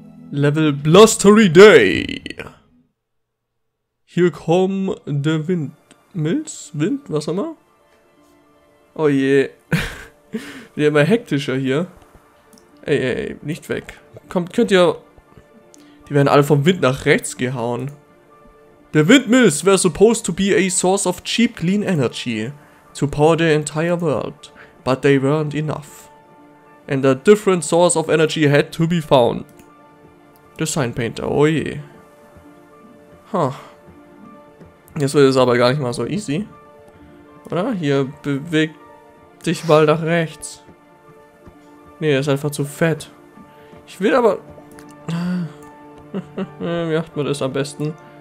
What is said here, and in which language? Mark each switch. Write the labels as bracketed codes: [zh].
[de] Level Blustery Day. Hier kommen der Wind. Milz? Wind? Was auch immer? Oh je. Wird immer hektischer hier. Ey, ey, ey, nicht weg. Kommt, könnt ihr... Die werden alle vom Wind nach rechts gehauen. [en] The windmills were supposed to be a source of cheap clean energy to power the entire world, but they weren't enough. And a different source of energy had to be found. The sign painter, oh je. Huh. [de] Jetzt wird es aber gar nicht mal so easy. Oder? Hier, beweg dich mal nach rechts. Nee, er ist einfach zu fett. Ich will aber... Wie macht man das am besten?